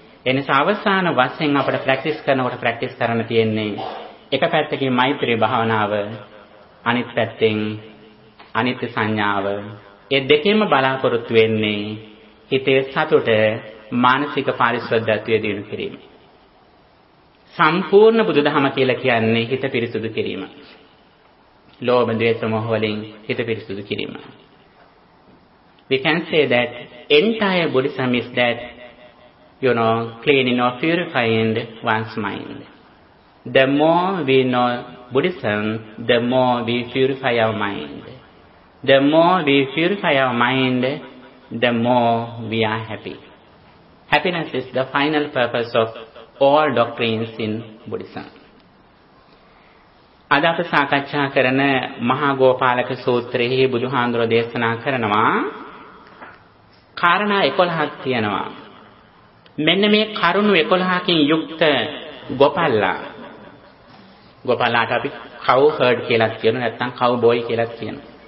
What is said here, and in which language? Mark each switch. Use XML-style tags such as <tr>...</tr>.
<si>එනිසා අවසාන වශයෙන් අපට ප්‍රැක්ටිස් කරනකොට ප්‍රැක්ටිස් කරන්න තියෙන්නේ එක පැත්තකින් මෛත්‍රී භාවනාව, අනිත් පැත්තෙන් අනිත්‍ය සංඥාව. ඒ දෙකේම බලාපොරොත්තු වෙන්නේ හිතේ සතුට, මානසික පාරිශුද්ධත්වය දිනු කිරීම. සම්පූර්ණ බුදුදහම කියලා කියන්නේ හිත පිරිසුදු කිරීම. ලෝභ ද්වේෂ මොහ වලින් හිත පිරිසුදු කිරීම.</si> <en>We can say that entire Buddhism is that, you know, cleaning or purifying one's mind. The more we know Buddhism, the more we purify our mind. The more we purify our mind, the more we are happy. Happiness is the final purpose of all doctrines in Buddhism.</en> <si>අද අප සාකච්ඡා කරන මහා ගෝපාලක සූත්‍රයේ බුදුහාඳුර දේශනා කරනවා කාරණා 11ක් තියෙනවා. මෙන්න මේ කරුණු 11කින් යුක්ත ගෝපල්ලා. ගෝපල්ලාට අපි කව් හර්ඩ් කියලාත් කියනවා, නැත්නම් කව් බෝයි කියලාත් කියනවා.</si>